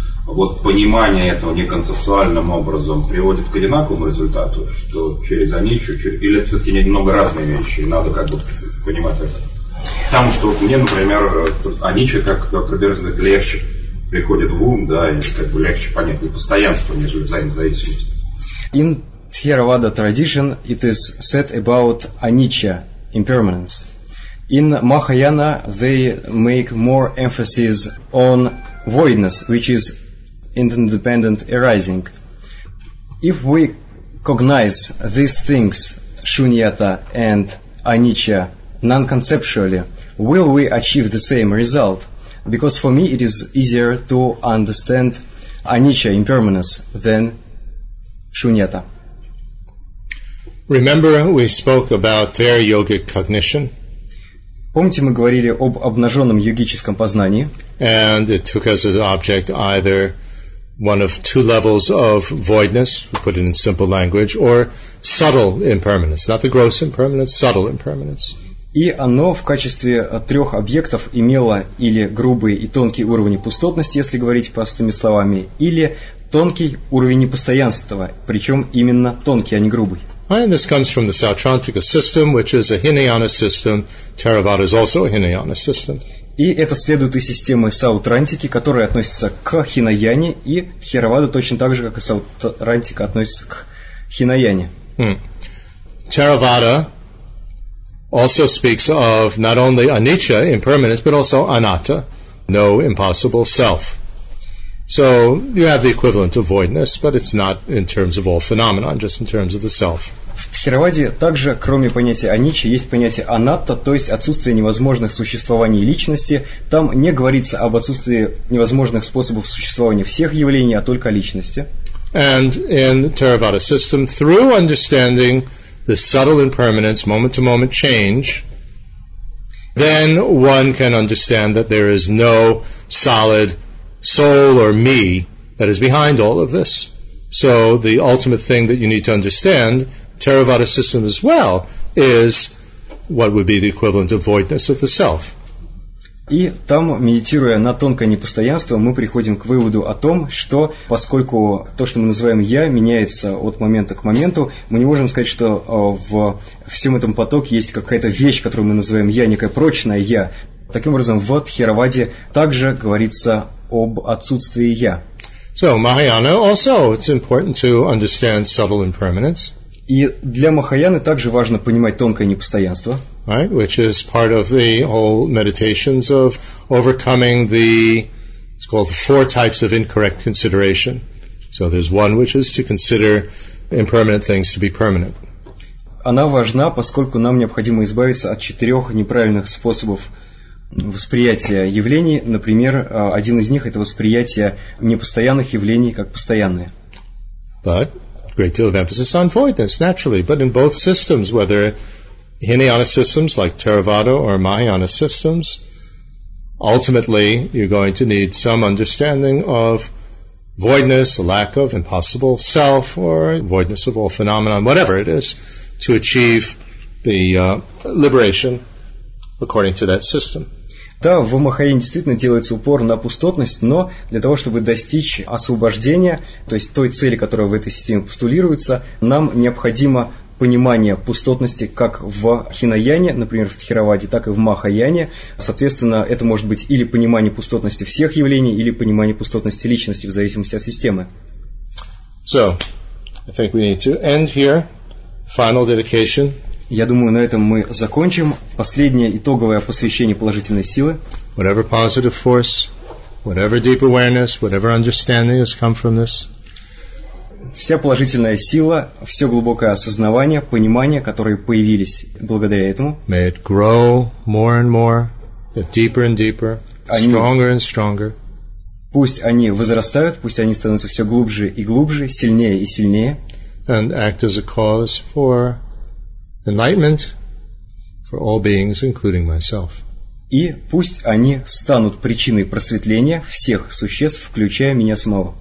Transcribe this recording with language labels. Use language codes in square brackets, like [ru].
[ru] Вот понимание этого неконцептуальным образом приводит к одинаковому результату, что через аничу, или это все-таки немного разные вещи, и надо как бы понимать это. Потому что мне, например, аничи как пробежный легче. Приходит в ум, да, и как бы легче понять непостоянство, нежели взаимозависимость. [en] In Theravada tradition, it is said about anicca, impermanence. In Mahayana, they make more emphasis on voidness, which is interdependent arising. If we cognize these things, shunyata and anicca, non-conceptually, will we achieve the same result? Because for me, it is easier to understand anicca, impermanence, than shunyata. Remember, we spoke about bare yogic cognition. [ru] Помните, мы говорили об обнаженном йогическом познании. [en] And it took as an object either one of two levels of voidness, put it in simple language, or subtle impermanence, not the gross impermanence, subtle impermanence. [ru] И оно в качестве трех объектов имело или грубые и тонкие уровни пустотности, если говорить простыми словами, или тонкий уровень непостоянства, причем именно тонкий, а не грубый. [en] And this comes from the Sautrantika system, which is a Hinayana system. Theravada is also a Hinayana system. [ru] И это следует из системы Саутрантики, которая относится к Хинаяне, и Тхеравада точно так же, как и Саутрантика, относится к Хинаяне. [en] Theravada also speaks of not only anicca, impermanence, but also anatta, no impossible self. So you have the equivalent of voidness, but it's not in terms of all phenomena, just in terms of the self. [ru] В Тхераваде также, кроме понятия аничча, есть понятие анатта, то есть отсутствие невозможных существований личности. Там не говорится об отсутствии невозможных способов существования всех явлений, а только личности. [en] And in the Theravada system, through understanding the subtle impermanence, moment-to-moment change, then one can understand that there is no solid soul or me that is behind all of this. So the ultimate thing that you need to understand, Theravada system as well, is what would be the equivalent of voidness of the self. [ru] И там, медитируя на тонкое непостоянство, мы приходим к выводу о том, что поскольку то, что мы называем «я», меняется от момента к моменту, мы не можем сказать, что в всем этом потоке есть какая-то вещь, которую мы называем «я», некое прочное «я». Таким образом, в Тхераваде также говорится об отсутствии «я». [en] So, Mahayana also, it's important to understand subtle impermanence. [ru] И для Махаяны также важно понимать тонкое непостоянство. [en] Right, which is part of the whole meditations of overcoming the, it's called the four types of incorrect consideration. So there's one which is to consider impermanent things to be permanent. [ru] Она важна, поскольку нам необходимо избавиться от четырех неправильных способов восприятия явлений. Например, один из них – это восприятие непостоянных явлений как постоянные. [en] But great deal of emphasis on voidness, naturally. But in both systems, whether Hinayana systems like Theravada or Mahayana systems, ultimately you're going to need some understanding of voidness, a lack of impossible self, or voidness of all phenomenon, whatever it is, to achieve the liberation according to that system. [ru] Да, в Махаяне действительно делается упор на пустотность, но для того, чтобы достичь освобождения, то есть той цели, которая в этой системе постулируется, нам необходимо понимание пустотности как в Хинаяне, например, в Тхераваде, так и в Махаяне. Соответственно, это может быть или понимание пустотности всех явлений, или понимание пустотности личности в зависимости от системы. [en] So, I think we need to end here. Final dedication. [ru] Я думаю, на этом мы закончим. Последнее итоговое посвящение положительной силы. [en] Whatever positive force, whatever deep awareness, whatever understanding has come from this. [ru] Вся положительная сила, все глубокое осознавание, понимание, которые появились благодаря этому. [en] May it grow more and more, deeper and deeper, stronger and stronger. [ru] Пусть они возрастают, пусть они становятся все глубже и глубже, сильнее и сильнее. [en] And act as a cause for enlightenment for all beings, including myself. [ru] И пусть они станут причиной просветления всех существ, включая меня самого.